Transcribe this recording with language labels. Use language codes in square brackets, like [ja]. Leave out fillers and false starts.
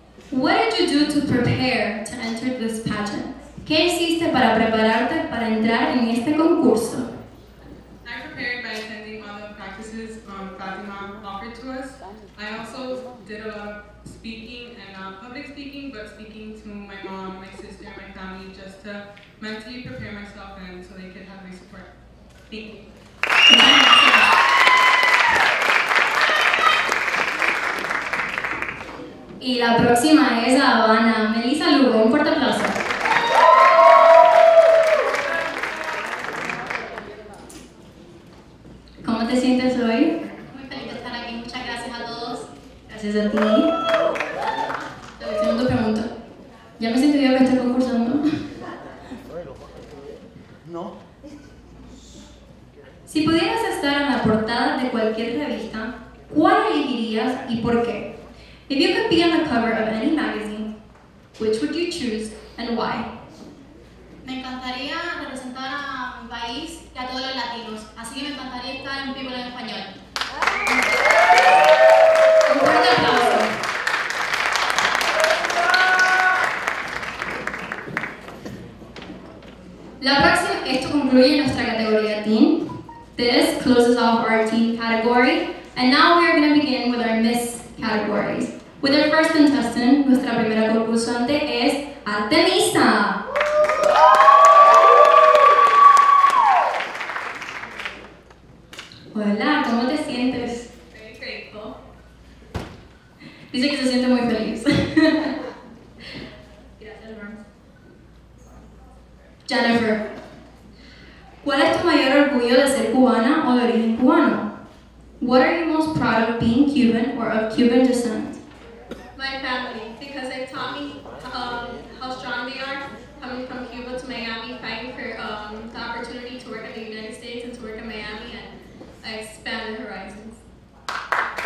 [en] What did you do to prepare to enter this pageant? [es] ¿Qué hiciste para prepararte para entrar en este concurso? [en] I prepared by attending all the practices Fatima offered to us. I also did a lot of speaking and not public speaking, but speaking to my mom, my sister, my family, just to mentally prepare myself and so they could have my support. Thank you. [es] Y la próxima es a Habana. Melissa Lugo, un fuerte aplauso. ¿Cómo te sientes hoy? Muy feliz de estar aquí. Muchas gracias a todos. Gracias a ti. Tengo otra pregunta. ¿Ya me sentí bien que estoy concursando? No. Si pudieras estar en la portada de cualquier revista, ¿cuál elegirías y por qué? [en] If you could be on the cover of any magazine, which would you choose and why? [es] Me encantaría representar a mi país y a todos los latinos, así que me encantaría estar en People en Español. Un fuerte aplauso. La próxima, esto concluye nuestra categoría teen. [en] This closes off our teen category, and now we are going to begin with our Miss categories. With our first contestant, [es] nuestra primera concursante es Artemisa. Hola, ¿cómo te sientes? Perfecto. Dice que se siente muy feliz. Gracias, Ron. Jennifer, ¿cuál es tu mayor orgullo de ser cubana o de origen cubano? [en] What are you most proud of being Cuban or of Cuban descent? My family, because they've taught me how strong they are, coming from Cuba to Miami, fighting for the opportunity to work in the United States and to work in Miami and expand their horizons.